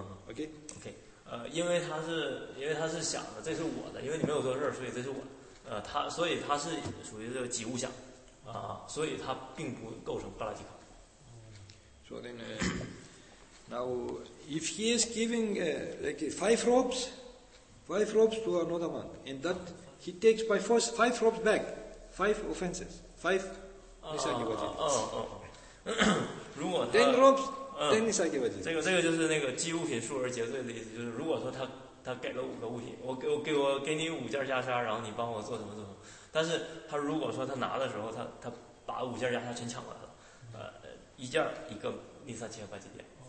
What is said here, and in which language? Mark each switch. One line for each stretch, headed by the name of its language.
Chinese: okay 因为他是想的这是我的，因为你没有做事所以这是我他所以他是属于这个己物想所以它并不构成巴拉提卡。
English: So then, now if he is giving like five ropes to another one, and that he takes by force five ropes back, five offenses, five nisagivajin.
Chinese: 如果
English: ten ropes, ten nisagivajin.
Chinese: 这个就是那个积物品数而结罪的意思，就是如果说他给了五个物品，我给你五件袈裟，然后你帮我做什么做什么。但是他如果说他拿的时候他把五件袈裟全抢完了一件一个尼萨切巴吉典